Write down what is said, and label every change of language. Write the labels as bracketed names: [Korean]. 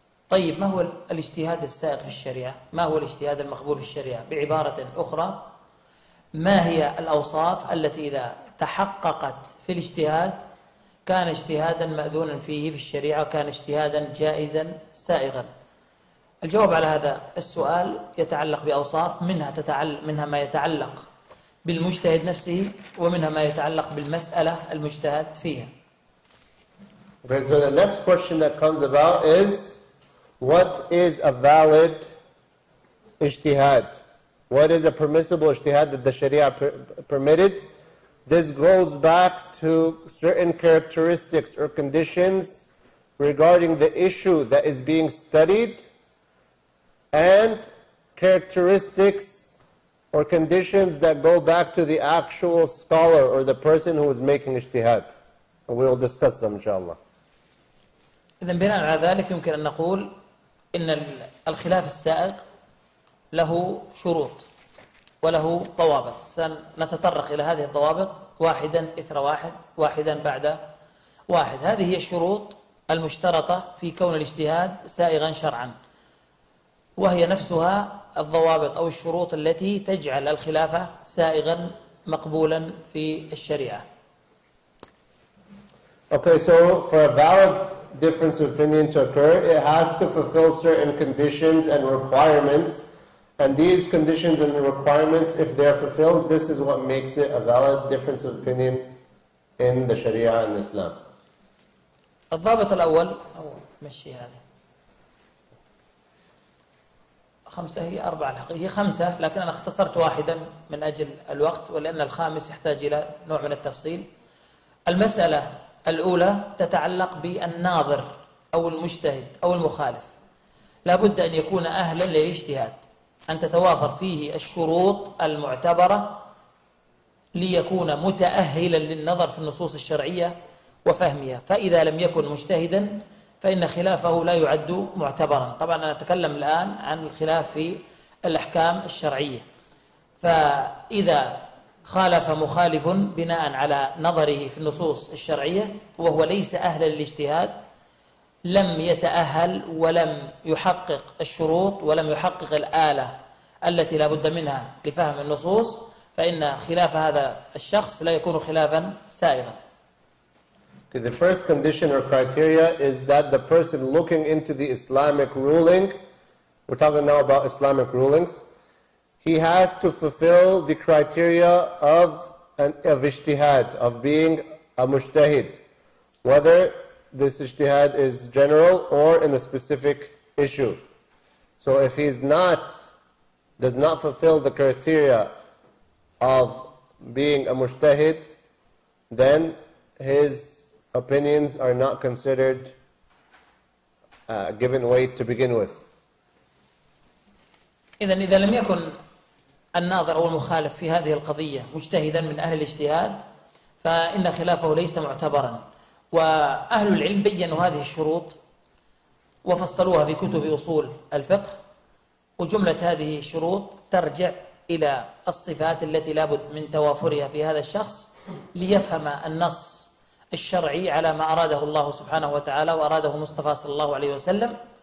[Arabic] طيب، ما هو الاجتهاد السائغ في الشريعة؟ ما هو الاجتهاد المقبول في الشريعة؟ بعبارة أخرى، ما هي الأوصاف التي إذا تحققت في الاجتهاد كان اجتهادا مأذونا فيه في الشريعة وكان اجتهادا جائزا سائغا؟ الجواب على هذا السؤال يتعلق بأوصاف منها ما يتعلق بالمجتهد نفسه ومنها ما يتعلق بالمسألة المجتهد فيها. [English] Okay, so the next question that comes about is, what is a valid ijtihad? What is a permissible ijtihad that the Sharia permitted? This goes back to certain characteristics or conditions regarding the issue that is being studied and characteristics or conditions that go back to the actual scholar or the person who is making ijtihad. And we will discuss them, inshallah. [Arabic] إذن بناء على ذلك يمكن أن نقول إن الخلاف السائغ له شروط. وله ضوابط. سنتطرق إلى هذه الضوابط واحدا إثر واحد واحدا بعد واحد. هذه هي الشروط المشترطة في كون الاجتهاد سائغا شرعا، وهي نفسها الضوابط أو الشروط التي تجعل الخلافة سائغا مقبولا في الشريعة. [English] Okay, so for a valid difference of opinion to occur, it has to fulfill certain conditions and requirements. And these conditions and the requirements, if they're fulfilled, this is what makes it a valid difference of opinion in the Sharia and Islam. [Arabic] الضابط الأول أو مشي هذه خمسة، هي أربعة هي خمسة، لكن أنا اختصرت واحدا من أجل الوقت، ولأن الخامس يحتاج إلى نوع من التفصيل. المسألة الأولى تتعلق بالناظر أو المجتهد أو المخالف، لا بد أن يكون أهلا للاجتهاد، أن تتوافر فيه الشروط المعتبرة ليكون متأهلا للنظر في النصوص الشرعية وفهمها. فإذا لم يكن مجتهدا فإن خلافه لا يعد معتبرا. طبعا أنا أتكلم الآن عن الخلاف في الأحكام الشرعية، فإذا خالف مخالف بناء على نظره في النصوص الشرعية وهو ليس أهلا للاجتهاد، لم يتأهل ولم يحقق الشروط ولم يحقق الآلة التي لا بد منها لفهم النصوص، فإن خلاف هذا الشخص لا يكون خلافا سائغا. [English] Okay, the first condition or criteria is that the person looking into the Islamic ruling, we're talking now about Islamic rulings, he has to fulfill the criteria of ijtihad, of being a mujtahid, whether this ijtihad is general or in a specific issue. So if he's not, does not fulfill the criteria of being a mujtahid, then his opinions are not considered given weight to begin with. [Arabic] إذا لم يكن الناظر أو المخالف في هذه القضية مجتهدا من أهل الاجتهاد فإن خلافه ليس معتبرا. وأهل العلم بيّنوا هذه الشروط وفصلوها في كتب أصول الفقه، وجملة هذه الشروط ترجع إلى الصفات التي لابد من توافرها في هذا الشخص ليفهم النص الشرعي على ما أراده الله سبحانه وتعالى وأراده مصطفى صلى الله عليه وسلم.